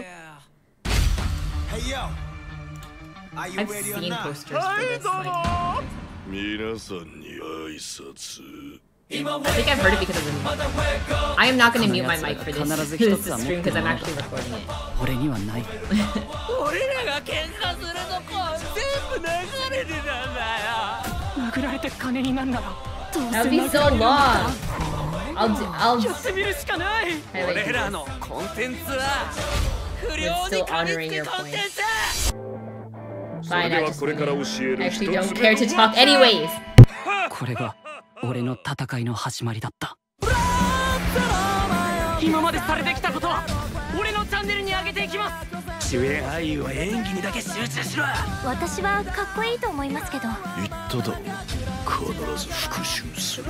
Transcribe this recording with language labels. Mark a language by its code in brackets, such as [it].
[en] Hey, yo. Are you ready or not? I've seen posters for this, like. [ja] 皆さんに挨拶。 [en] I think I've heard it because of the movie. I am not going to mute my mic for this stream because I'm actually recording it. [ja] これにはない。俺らが喧嘩するとこ全部流れてたんだよ。殴られて金になんなら。 [en] That would be so long. I'll [ja] やってみるしかない。俺らのコンテンツは不良に限ってコンテンツ。 [en] Fine, I actually don't care to talk anyways. [ja] これが俺の戦いの始まりだった。今までされてきたことは俺のチャンネルに上げていきます。主演俳優は演技にだけ集中しろ。私はかっこいいと思いますけど。言っただろ、必ず復讐すると。